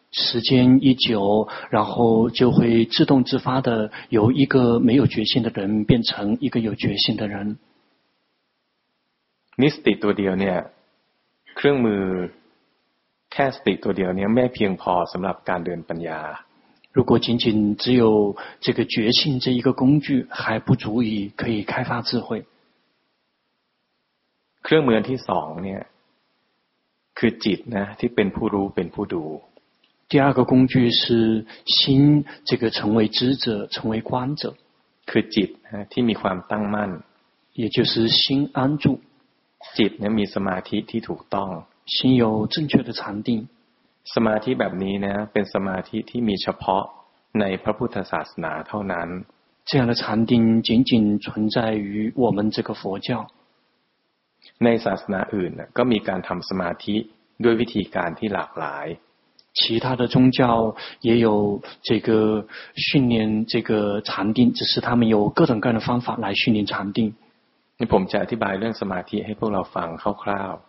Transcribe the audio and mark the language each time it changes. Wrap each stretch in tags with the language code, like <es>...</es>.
<zh>时间一久然后就会自动自发地由一个没有决心的人变成一个有决心的人</zh> <th>มีสติตัวเดียวเนี่ยเครื่องมือแค่สติตัวเดียวเนี่ยไม่เพียงพอสำหรับการเดินปัญญา</th> <zh>如果仅仅只有这个觉性这一个工具还不足以可以开发智慧</zh> <th>เครื่องมือที่สองเนี่ยคือจิตนะที่เป็นผู้รู้เป็นผู้ดู</th> <zh>第二个工具是心这个成为知者成为观者</zh> <th>คือจิตนะที่มีความตั้งมั่น</th> <zh>也就是心安住</zh> <th>จิตเนี่ยมีสมาธิที่ถูกต้อง</th> <zh>心有正确的禅定</zh> <th>สมาธิแบบนี้นะเป็นสมาธิที่มีเฉพาะในพระพุทธศาสนาเท่านั้น</th> <zh>这样的禅定仅仅存在于我们这个佛教</zh> <th>ในศาสนาอื่นก็มีการทำสมาธิด้วยวิธีการที่หลากหลาย</th> <zh>其他的宗教也有这个训练这个禅定只是他们有各种各样的方法来训练禅定</zh> <th>ผมจะอธิบายเรื่องสมาธิให้พวกเราฟังคร่าว</th>